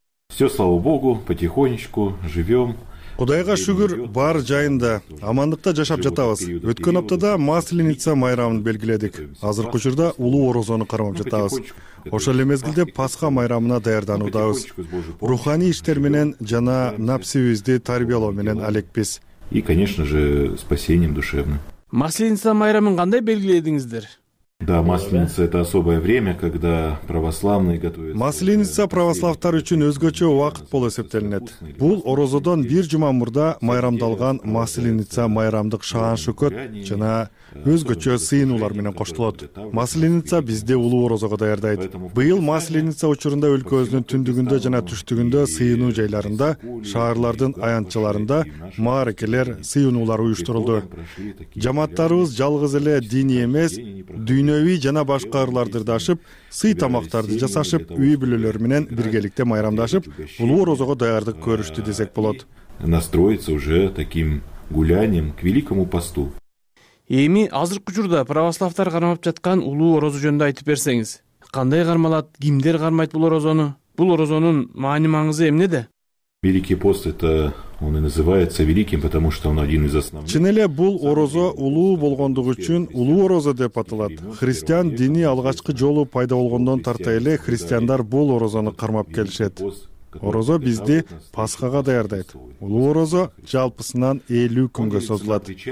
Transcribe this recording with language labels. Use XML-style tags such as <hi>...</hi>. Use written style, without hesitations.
<ru>Все, слава Богу, потихонечку живем.</ru> <ky>Кудайга шүгүр, бар жайында, амандыкта жашап жатабыз. Өткөн аптада Масленица майрамын белгиледик. Азыркы учурда Улуу Орозону кармап жатабыз. Ошол эле мезгилде Пасха майрамына даярданудабыз. Руханий иштер менен жана напсибизди тарбиялоо менен алекпиз.</ky> <ru>И, конечно же, спасением душевным.</ru> <ky>Масленица майрамын кандай белгиледиңиздер?</ky> <ru>Да, Масленица это особое время, когда православные готовятся.</ru> <ky>Масленица православтар үчүн өзгөчө вакыт болуп эсептелинет. Бул орозодон бир жума мурда майрамдалган Масленица майрамдык шаан-шөкөт жана өзгөчө сыйынуулар менен коштолот. Масленица бизди улуу орозого даярдайт. Быйыл Масленица учурунда өлкөбүздүн түндүгүндө жана түштүгүндө сыйынуу жайларында, шаарлардын аянтчаларында маарекелер, сыйынуулар уюштурулду. Жамааттарыбыз жалгыз эле диний эмес, дүйнөвий жана башка ырларды дашып, сый тамактарды жасашып, үй бүлөлөр менен биргеликте майрамдашып, улуу орозого даярдык көрүштү десек болот.</ky> <ru>Настроиться уже таким гулянием к великому посту.</ru> <ky>Эми азыркы учурда православтар кармап жаткан улуу орозу жөнүндө айтып берсеңиз, кандай кармалат, кимдер кармайт бул орозону? Бул орозонун маани маңызы эмнеде?</ky> <ru>Великий пост это он и называется великим, потому что он один из основных.</ru> <ky>Чын эле бул орозо улуу болгондугу үчүн улуу орозо деп аталат. Христиан дини алгачкы жолу пайда болгондон тарта эле христиандар бул орозону кармап келишет. Орозо бизди Пасхага даярдайт. Улуу орозо жалпысынан 50 күнгө созулат.</ky>